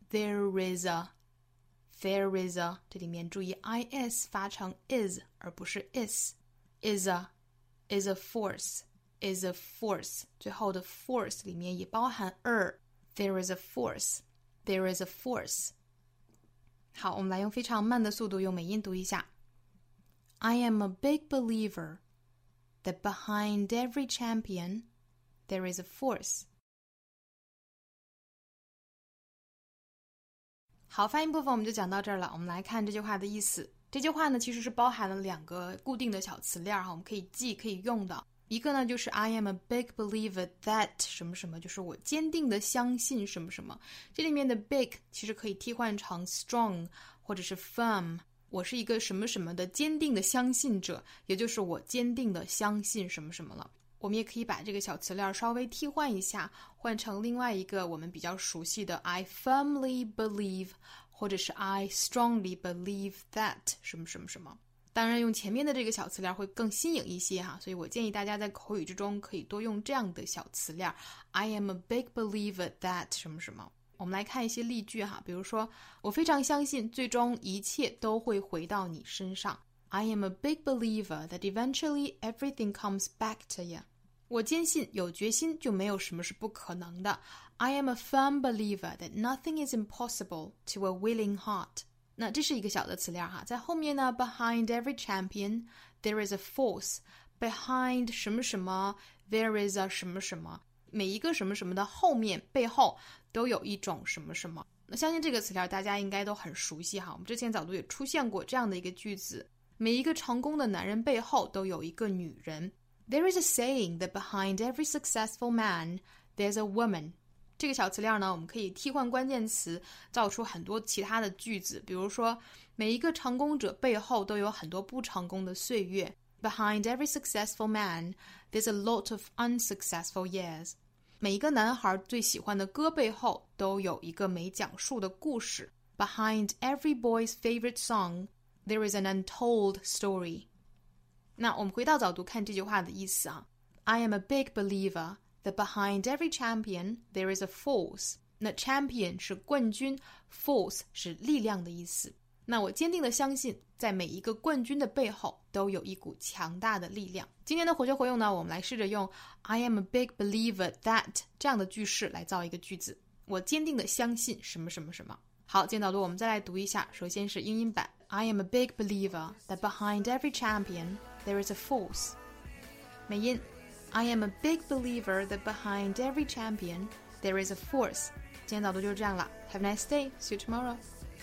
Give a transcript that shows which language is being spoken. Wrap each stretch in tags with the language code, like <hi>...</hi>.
<en>There is a, there is a.</en> <zh>这里面注意</zh> <en>is 发成 is</en> <zh>而不是</zh> <en>is. Is a force, is a force.</en> <zh>最后的 force 里面也包含 er.</zh> <en>There is a force, there is a force.</en> <zh>好，我们来用非常慢的速度用美音读一下。</zh> <en>I am a big believer that behind every champion, there is a force.</en> <zh>好，发音部分我们就讲到这儿了。我们来看这句话的意思。这句话呢，其实是包含了两个固定的小词链，我们可以记，可以用的。一个呢就是</zh> <en>I am a big believer that</en> <zh>什么什么，就是我坚定的相信什么什么。这里面的 big 其实可以替换成 strong 或者是 firm， 我是一个什么什么的坚定的相信者，也就是我坚定的相信什么什么了。我们也可以把这个小词链稍微替换一下，换成另外一个我们比较熟悉的</zh> <en>I firmly believe</en> <zh>或者是</zh> <en>I strongly believe that</en> <zh>什么什么什么。当然用前面的这个小词链会更新颖一些哈，所以我建议大家在口语之中可以多用这样的小词链。</zh> <en>I am a big believer that</en> <zh>什么什么。我们来看一些例句哈，比如说我非常相信最终一切都会回到你身上。</zh> <en>I am a big believer that eventually everything comes back to you.</en> <zh>我坚信有决心就没有什么是不可能的。</zh> <en>I am a firm believer that nothing is impossible to a willing heart.</en> <zh>那这是一个小的词链哈，在后面呢</zh> <en>behind every champion, there is a force,</en> <zh>behind 什么什么</zh> <en>there is a</en> <zh>什么什么，每一个什么什么的后面背后都有一种什么什么。那相信这个词链大家应该都很熟悉哈，我们之前早都也出现过这样的一个句子，每一个成功的男人背后都有一个女人。</zh> <en>There is a saying that behind every successful man, there's a woman.</en> <zh>这个小词链呢，我们可以替换关键词，造出很多其他的句子。比如说，每一个成功者背后都有很多不成功的岁月。</zh> <en>Behind every successful man, there's a lot of unsuccessful years.</en> <zh>每一个男孩最喜欢的歌背后都有一个没讲述的故事。</zh> <en>Behind every boy's favorite song, there is an untold story.</en> <zh>那我们回到早读看这句话的意思啊。</zh> <en>I am a big believer. That behind every champion, there is a force.</en> <zh>那 champion 是冠军， force 是力量的意思。那我坚定的相信，在每一个冠军的背后，都有一股强大的力量。今天的活学活用呢，我们来试着用</zh> <en>I am a big believer that</en> <zh>这样的句式来造一个句子。我坚定的相信什么什么什么。好，今天导读我们再来读一下，首先是英音版。</zh> <en>I am a big believer that behind every champion, there is a force.</en> <zh>美音。</zh> <en>I am a big believer that behind every champion, there is a force.</en> <zh>今天早读就是这样了。</zh> <en>Have a nice day. See you tomorrow.</en>